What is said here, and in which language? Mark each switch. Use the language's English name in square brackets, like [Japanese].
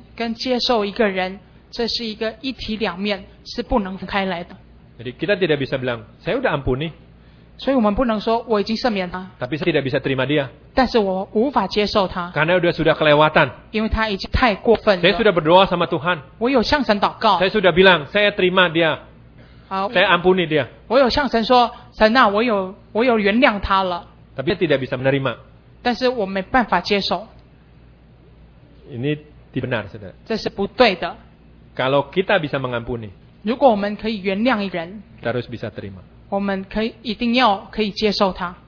[Chinese] 你赦免人跟接受一个人, 这是一个一体两面, 是不能分开来的. [Indonesian] Jadi kita tidak bisa bilang, saya sudah ampuni. [Chinese] 所以我们不能说, 我已经赦免他. [Indonesian] Tapi saya tidak bisa terima dia. [Chinese] 但是我无法接受他. [Indonesian] Karena dia sudah kelewatan. [Chinese] 因为他已经太过分了. [Indonesian] Saya sudah berdoa sama Tuhan. [Chinese] 我有向神祷告. [Indonesian] Saya sudah bilang, saya terima dia. Saya ampuni dia. [Chinese] 我有向神说, 神啊, 我有原谅他了. [Indonesian] Tapi tidak bisa menerima. [Chinese] 但是我没办法接受. [Indonesian] Ini tidak benar, saudara. [Chinese] 这是不对的. [Indonesian] Kalau kita bisa mengampuni, [Chinese] 如果我们可以原谅一人, 我们可以一定要可以接受他.